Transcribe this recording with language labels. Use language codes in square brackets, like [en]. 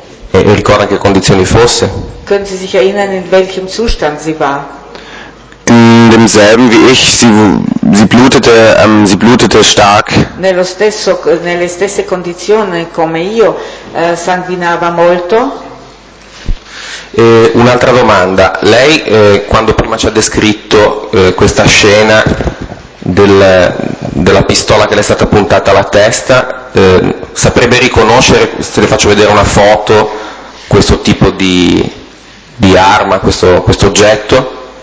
[it] E ricorda che condizioni fosse? [de] Können Sie sich erinnern, in welchem Zustand sie war? In demselben wie ich, sie blutete stark. [it] Nello stesso, nelle stesse condizioni come io, sanguinava molto. Un'altra domanda, lei quando prima ci ha descritto questa scena della pistola che le è stata puntata alla testa, saprebbe riconoscere, se le faccio vedere una foto, questo tipo di arma, questo oggetto?